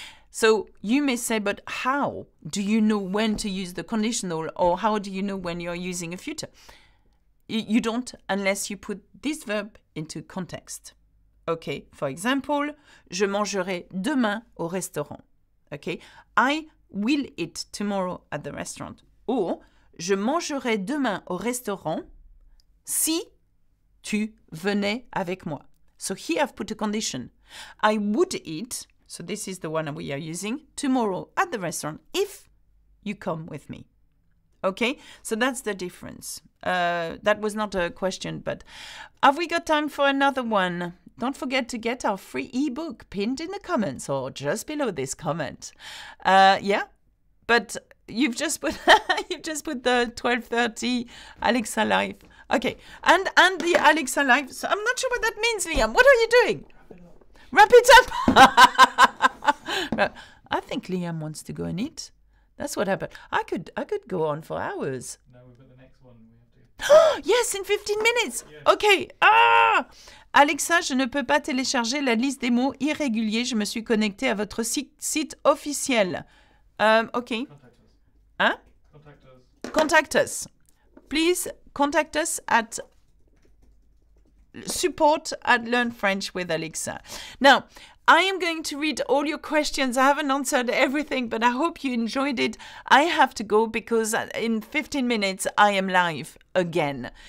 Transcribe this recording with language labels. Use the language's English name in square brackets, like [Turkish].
[English] So you may say, but how do you know when to use the conditional or how do you know when you're using a future? You don't unless you put this verb into context. Okay, for example, [French] je mangerai demain au restaurant. [English] Okay, I will eat tomorrow at the restaurant. [French] Or, je mangerai demain au restaurant si tu venais avec moi. [English] So here I've put a condition. I would eat, so this is the one we are using, tomorrow at the restaurant if you come with me. Okay, so that's the difference. That was not a question, but have we got time for another one? Don't forget to get our free ebook pinned in the comments or just below this comment. Yeah, but you've just put you've just put the 12:30 Alexa Live. Okay, and the Alexa Live. So I'm not sure what that means, Liam. What are you doing? Wrap it up. I think Liam wants to go and eat. That's what happened. I could go on for hours. No, we've got the next one we have to. Yes, in 15 minutes. Yeah. Okay. Ah! [French] Alexa, je ne peux pas télécharger la liste des mots irréguliers. Je me suis connectée à votre site officiel. [English] Okay. Contact us. Hein? Contact us. Please contact us at support at Learn French with Alexa. Now, I am going to read all your questions. I haven't answered everything, but I hope you enjoyed it. I have to go because in 15 minutes, I am live again.